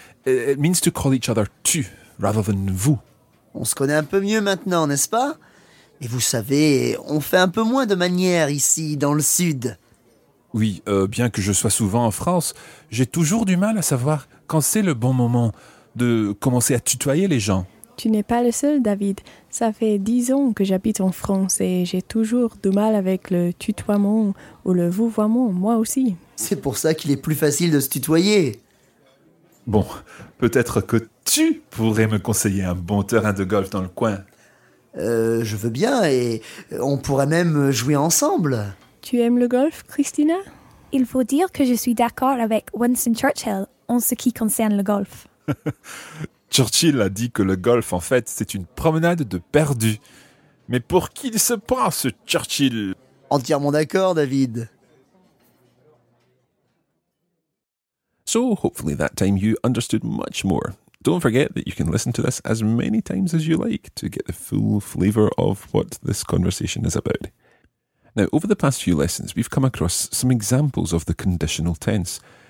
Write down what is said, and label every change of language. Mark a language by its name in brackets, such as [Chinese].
[English] It means to call each other tu, rather than vous. [French] On se connaît un peu mieux maintenant, n'est-ce pas? Et vous savez, on fait un peu moins de manières ici, dans le sud. Oui, bien que je sois souvent en France, j'ai toujours du mal à savoir quand c'est le bon moment de commencer à tutoyer les gens. Tu n'es pas le seul, David. Ça fait 10 ans que j'habite en France et j'ai toujours du mal avec le tutoiement ou le vouvoiement, moi aussi. C'est pour ça qu'il est plus facile de se tutoyer. Bon, peut-être que tu pourrais me conseiller un bon terrain de golf dans le coin. Je veux bien et on pourrait même jouer ensemble. Tu aimes le golf, Christina? Il faut dire que je suis d'accord avec Winston Churchill en ce qui concerne le golf. Churchill a dit que le golf, en fait, c'est une promenade de perdu. Mais pour qui il se prend, ce Churchill? Entièrement d'accord, David. [English] So, hopefully that time you understood much more. Don't forget that you can listen to this as many times as you like to get the full flavour of what this conversation is about. Now, over the past few lessons, we've come across some examples of the conditional tense.